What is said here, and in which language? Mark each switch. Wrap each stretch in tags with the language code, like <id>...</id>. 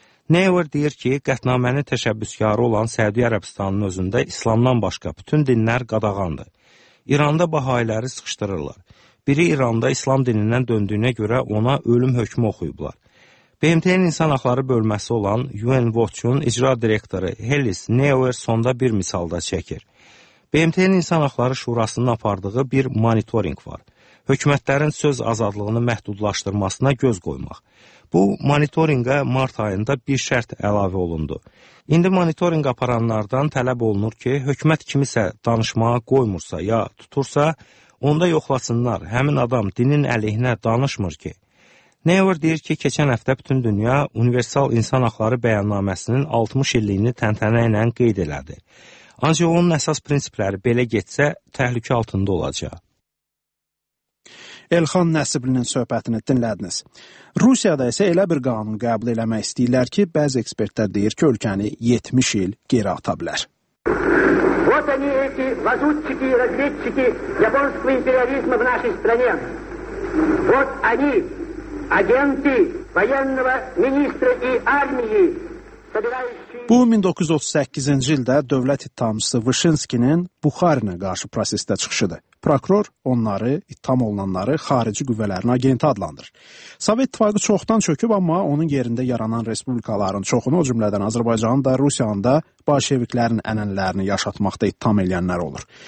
<az>Neyver deyir ki, qətnamənin təşəbbüskarı olan Səudiyyə Ərəbistanının özündə İslamdan başqa bütün dinlər qadağandır. İranda bahayiləri sıxışdırırlar. Biri İranda İslam dinindən döndüyünə görə ona ölüm hökmü oxuyublar. BMT-nin insan haqları bölməsi olan UN Watch-un icra direktoru Helis Neuer sonda bir misalda çəkir. BMT-nin İnsan Haqları Şurasının apardığı bir monitoring var. Hökumətlərin söz azadlığını məhdudlaşdırmasına göz qoymaq. Bu monitoringə mart ayında bir şərt əlavə olundu. İndi monitoring aparanlardan tələb olunur ki, hökumət kimisə danışmağa qoymursa ya tutursa, onda yoxlasınlar, həmin adam dinin əleyhinə danışmır ki. Neuer deyir ki, keçən həftə bütün dünya Universal İnsan Haqları Bəyannaməsinin 60 illiyini təntənə ilə qeyd elədi. Ancaq onun əsas prinsipləri belə getsə, təhlükə altında olacaq. Elxan Nəsiblinin söhbətini dinlədiniz. Rusiyada isə elə bir qanun qəbul eləmək istəyirlər ki, bəzi ekspertlər deyir ki, ölkəni 70 il geri ata bilər.</az> <ru>Вот они эти лазутчики, разведчики японского империализма в нашей стране. Вот они, агенты военного министра и армии.</ru> <az>Bu, 1938-ci ildə dövlət ittihamçısı Vyshinskinin Buxarinə qarşı prosesdə çıxışıdır. Prokuror onları, ittiham olunanları xarici qüvvələrin agenti adlandırır. Sovet İttifaqı çoxdan çöküb, amma onun yerində yaranan respublikaların çoxunu, o cümlədən Azərbaycanın da Rusiyanda bolşeviklərin ənənələrini yaşatmaqda ittiham eləyənlər olur.</az>